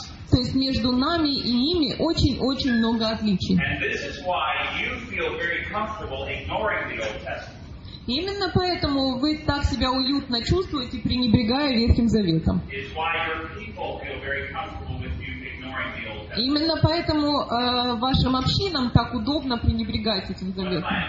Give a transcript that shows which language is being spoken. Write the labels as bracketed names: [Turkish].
[Russian] То есть между нами и ними очень-очень много отличий. И это почему вы чувствуете себя очень комфортно, игнорируя Ветхий Завет. Именно поэтому вы так себя уютно чувствуете, пренебрегая Ветхим Заветом. [English] It's why your people feel very comfortable with you ignoring the Old Testament. [Russian] Именно поэтому вашим общинам так удобно пренебрегать этим заветом.